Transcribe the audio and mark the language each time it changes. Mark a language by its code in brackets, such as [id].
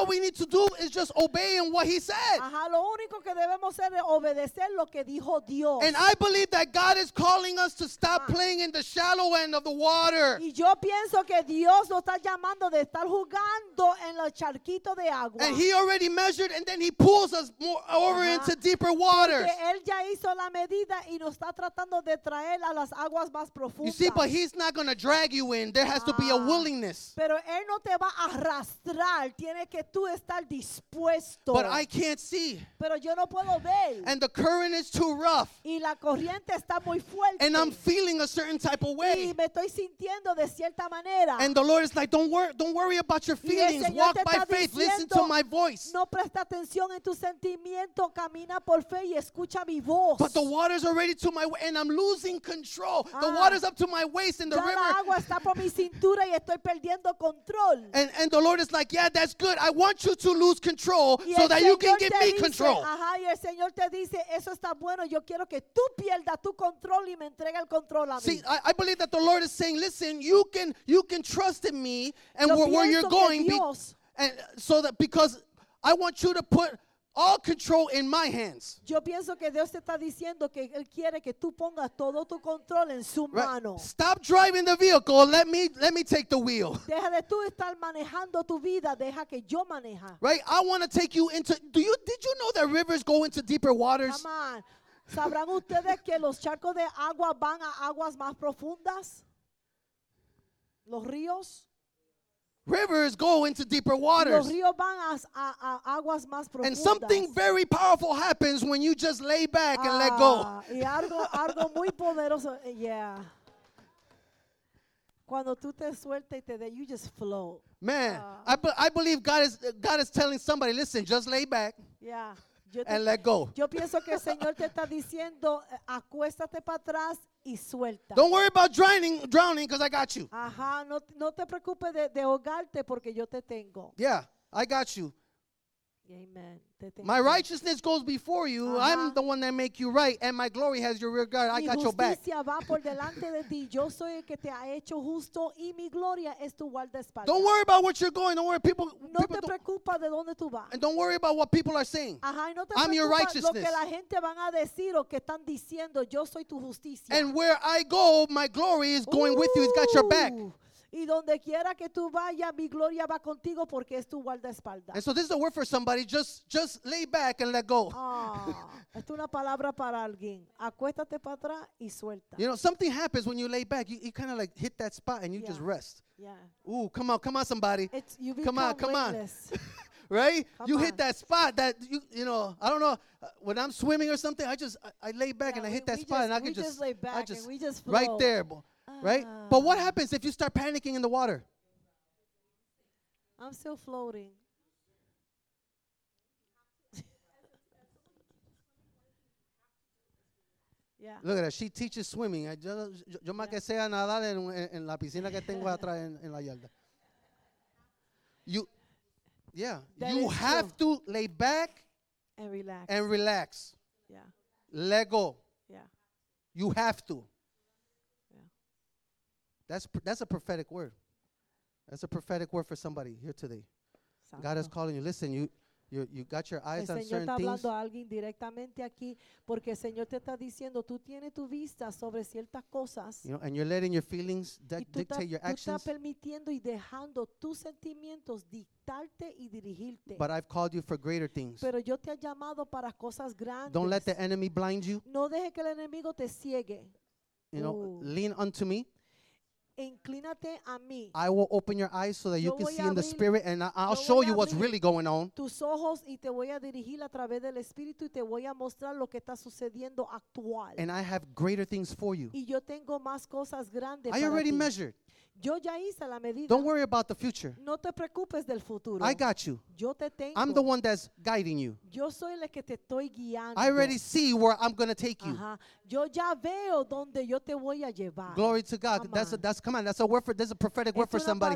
[en] All we need to do is just obey in what he said. [es] Ajá, lo único que debemos hacer es obedecer lo que dijo Dios. [en] And I believe that God is calling us to stop playing in the shallow end of the water. [es] Y yo pienso que Dios nos está llamando de estar jugando en los charquitos de agua. [en] And he already measured and then he pulls us more over into deeper waters. [es] Porque él ya hizo la medida y nos está tratando de traer a las aguas más profundas. [en] You see, but he's not going to drag you in. There has to be a willingness. [es] Pero él no te va a arrastrar, tiene que tú estar dispuesto. [en] But I can't see. [es] Pero yo no puedo ver. [en] And the current is too rough. [es] Y la corriente está muy fuerte. [en] And I'm feeling a certain type of way. [es] Y me estoy sintiendo de cierta manera. [en] And the Lord is like, don't worry about your feelings. Walk by faith, listen to my voice. [es] No presta atención en tu sentimiento, camina por fe y escucha mi voz. [en] But the water's already to my waist and I'm losing control. The water's up to my waist and the river. [es] La agua está por mi cintura y estoy perdiendo control. [en] And the Lord is like, yeah, that's good. I want you to lose control so that you can give me control. [es] Ajá, y el Señor te dice, eso está bueno. Yo quiero que tú pierdas tu control y me entregue el control a mí. [en] See, I believe that the Lord is saying, listen, you can trust in me and where you're going. And so that because I want you to put all control in my hands. [es] Yo pienso que Dios te está diciendo que él quiere que tú pongas todo tu control en su mano. [en] Stop driving the vehicle. Let me take the wheel. [es] Deja de tú estar manejando tu vida. Deja que yo maneja. [en] Right? I want to take you into. Did you know that rivers go into deeper waters? Come on. [es] ¿Sabrán ustedes que los charcos de agua van a aguas más profundas? Los ríos. [en] Rivers go into deeper waters. [es] Los ríos van a aguas más profundas. [en] And something very powerful happens when you just lay back and let go. [es] Y algo muy poderoso, yeah. Cuando tú te sueltas y te de, [en] you just flow. Man, I believe God is telling somebody, listen, just lay back. Yeah. And let go. [es] Yo pienso que el Señor te está diciendo, acuéstate para atrás y suelta. [en] Don't worry about drowning, because I got you. [es] Ajá, no te preocupes de ahogarte porque yo te tengo. [en] Yeah, I got you. Amen. My righteousness goes before you. Uh-huh. I'm the one that make you right, and my glory has your rear guard. I got your back. [es] Mi justicia va por delante de ti. Yo soy el que te ha hecho justo, y mi gloria es tu guardaespaldas. [en] Don't worry about what you're going. Don't worry, people. [es] No te preocupes de dónde tú vas. [en] And don't worry about what people are saying. I'm your righteousness. [es] Lo que la gente van a decir o que están diciendo, yo soy tu justicia. [en] And where I go, my glory is going with you. It's got your back. [es] Y donde quiera que tú vayas, mi gloria va contigo porque es tu guardaespaldas. [en] And so this is a word for somebody. Just lay back and let go. [es] Es una palabra para alguien. Acuéstate para atrás y suelta. [en] You know, something happens when you lay back. You kind of like hit that spot and you just rest. Yeah. Ooh, come on, somebody. Come on. Right? Hit that spot that, you know, I don't know, when I'm swimming or something, I lay back and I hit that spot and I can just lay back and we just flow. Right there, boy. Right? But what happens if you start panicking in the water? I'm still floating. Yeah. Look at that. She teaches swimming. [es] Yo más que sea nadar en la piscina que tengo atrás en la yarda. [en] You have to lay back and relax. And relax. Yeah. Let go. Yeah. You have to. That's a prophetic word. That's a prophetic word for somebody here today. Santo. God is calling you. Listen, you got your eyes [es] el Señor [en] on certain [es] está hablando [en] things. [es] A alguien directamente aquí porque el Señor te está diciendo tú tienes tu vista sobre ciertas cosas. [en] You know, and you're letting your feelings dictate your actions. [es] Tú estás permitiendo y dejando tus sentimientos dictarte y dirigirte. [en] But I've called you for greater things. [es] Pero yo te he llamado para cosas grandes. [en] Don't let the enemy blind you. [es] No deje que el enemigo te ciegue. [en] You know, lean unto me. [es] Inclínate a mí. [en] I will open your eyes so that you can see in the spirit and I'll show you what's really going on. [es] Tus ojos y te voy a dirigir a través del espíritu y te voy a mostrar lo que está sucediendo actual. [en] And I have greater things for you. [es] Y yo tengo más cosas grandes. [en] I already measured. [es] Yo ya hice la medida. [en] Don't worry about the future. [es] No te preocupes del futuro. [en] I got you. [es] Yo te tengo. [en] I'm the one that's guiding you. [es] Yo soy el que te estoy guiando. [en] I already see where I'm going to take you. [es] Yo ya veo donde yo te voy a llevar. [en] Glory to God. That's a prophetic word for somebody.